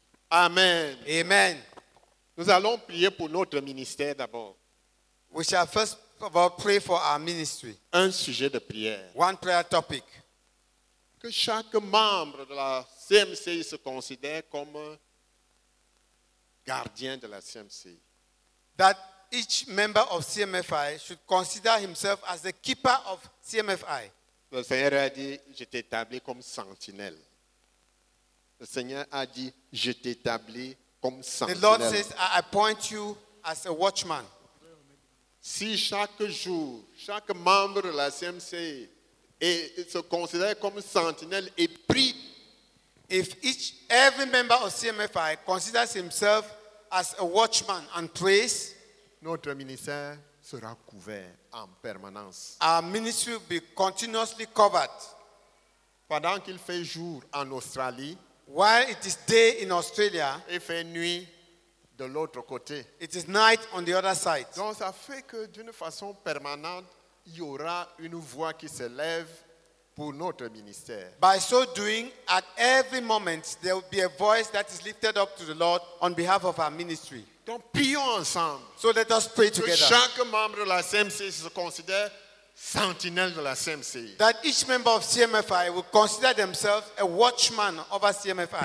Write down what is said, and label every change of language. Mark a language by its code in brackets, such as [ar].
[fr] Amen. Amen. Nous allons prier pour notre ministère d'abord. [en] We shall first of all pray for our ministry. [fr] Un sujet de prière. [en] One prayer topic. [fr] Que chaque membre de la CMC se considère comme gardien de la CMC. [en] That each member of CMFI should consider himself as the keeper of CMFI. [fr] Le Seigneur a dit, je t'établis comme sentinelle. Le Seigneur a dit, je t'établis comme sentinelle. [en] The Lord says, I appoint you as a watchman. [fr] Si chaque jour, chaque membre de la CMC et se considère comme sentinelle et prie. [en] If each every member of CMFI considers himself as a watchman and prays, [fr] notre ministère sera couvert en permanence. [en] Our ministry will be continuously covered. [fr] Pendant qu'il fait jour en Australie, [en] while it is day in Australia, [fr] il fait nuit de l'autre côté. [en] It is night on the other side. [fr] Donc ça fait que d'une façon permanente, il y aura une voix qui se lève pour notre ministère. [en] By so doing, at every moment, there will be a voice that is lifted up to the Lord on behalf of our ministry. [fr] Donc, prions ensemble. [en] So let us pray together. [fr] Que chaque membre de la CMC se considère sentinelle de la CMC. [en] That each member of CMFI will consider themselves a watchman of our CMFI.